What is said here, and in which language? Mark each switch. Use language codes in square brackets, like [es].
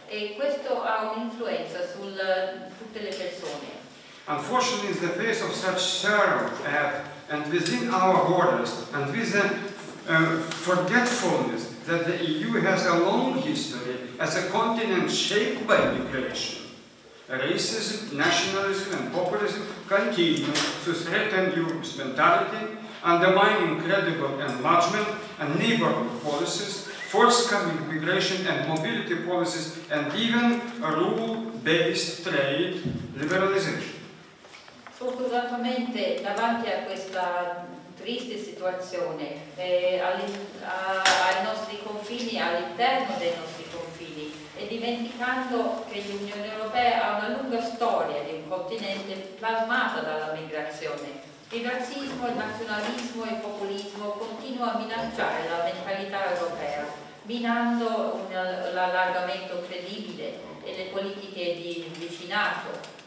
[it] E questo ha un'influenza su tutte le persone. [en] Unfortunately, in the face of such sorrow and within our borders and with the forgetfulness that the EU has a long history as a continent shaped by migration, racism, nationalism and populism continue to threaten Europe's mentality, undermining credible enlargement and neighborhood policies, forthcoming migration and mobility policies, and even rule-based trade liberalization. [it] Fortunatamente, davanti a questa triste situazione, ai nostri confini, all'interno dei nostri confini, e dimenticando che l'Unione Europea ha una lunga storia di un continente plasmato dalla migrazione, il razzismo, il nazionalismo e il populismo continuano a minacciare la mentalità europea, minando l'allargamento credibile e le politiche di vicinato.